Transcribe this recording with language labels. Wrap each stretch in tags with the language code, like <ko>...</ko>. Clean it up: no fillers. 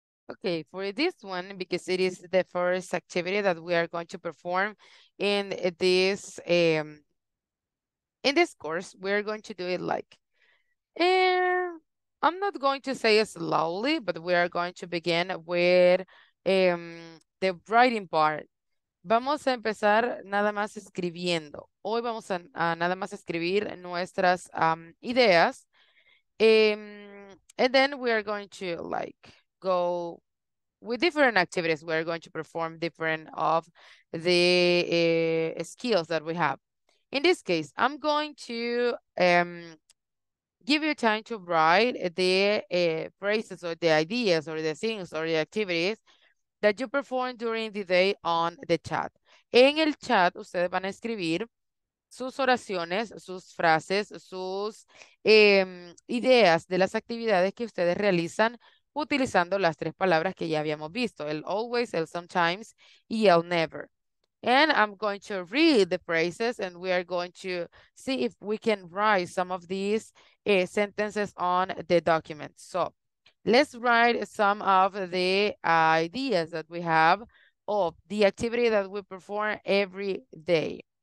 <en>Okay, for this one, because it is the first activity that we are going to perform in this course, we're going to do it like, I'm not going to say it slowly, but we are going to begin with the writing part.</en> <es>Vamos a empezar nada más escribiendo. Hoy vamos a nada más escribir nuestras ideas.</es> <en>And then we are going to like go with different activities. We are going to perform different of the skills that we have. In this case, I'm going to give you time to write the phrases or the ideas or the things or the activities that you perform during the day on the chat.</en> <es>En el chat, ustedes van a escribir sus oraciones, sus frases, sus ideas de las actividades que ustedes realizan utilizando las tres palabras que ya habíamos visto, el always, el sometimes, y el never.</es> <en>And I'm going to read the phrases and we are going to see if we can write some of these sentences on the document. So, let's write some of the ideas that we have of the activity that we perform every day.</en>